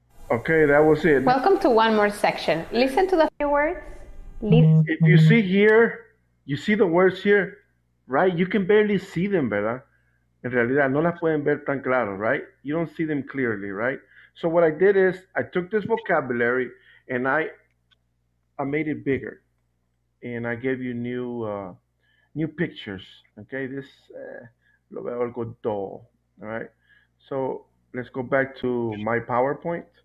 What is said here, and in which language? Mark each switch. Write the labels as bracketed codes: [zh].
[en] Okay, that was it. Welcome to one more section. Listen to the few words. Listen. If you see here, you see the words here. Right? You can barely see them, ¿verdad? [es] En realidad, no las pueden ver tan claro, right? [en] You don't see them clearly, right? So what I did is I took this vocabulary and I made it bigger. And I gave you new pictures, okay? This, [es] lo veo algo [en] dull, all right? So let's go back to my PowerPoint.